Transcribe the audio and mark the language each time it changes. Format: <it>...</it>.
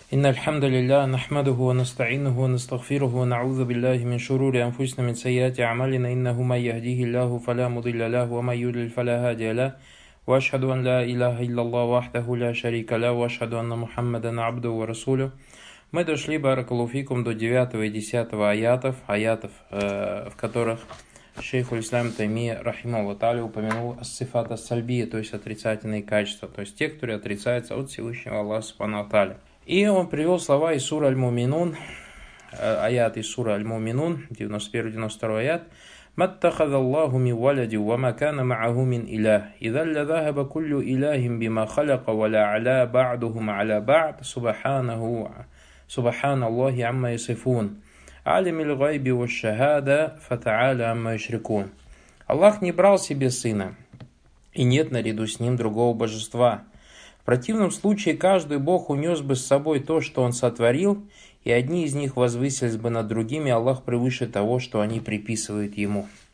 <ar>إن الحمد لله نحمده ونستعينه ونستغفره ونعوذ بالله من شرور أنفسنا من سيئات أعمالنا إنه من يهديه الله فلا مضل له ومن يضلل فلا هادي له وأشهد أن لا إله إلا الله وحده لا شريك له وأشهد أن محمدا عبده ورسوله.</ar> <ru>Мы дошли, баракаллаху фикум, до 9 и 10 аятов, в которых шейх аль-Ислам Таймия, рахимаху тааля, упомянул ас-сифат ас-сальбия, то есть отрицательные качества, то есть те, которые отрицаются от Всевышнего Аллаха субхана ва тааля. И он привел слова из сура аль-Муминун, аят из сура аль-Муминун, 91-92 аят.</ru> <ar>«Маттахад Аллаху ми валяди, ва макана маагу мин илях, идалля захаба куллю илахим бима халяка, ва ла аля ба'духум аля ба'д, субханаху». سبحان الله عما يصفون عالم الغيب والشهادة فتعالى عما يشركون.</ar> <ru>Аллах не брал себе сына, и нет наряду с ним другого божества. В противном случае каждый бог унес бы с собой то, что он сотворил, и одни из них возвысились бы над другими, Аллах превыше того, что они приписывают ему.</ru>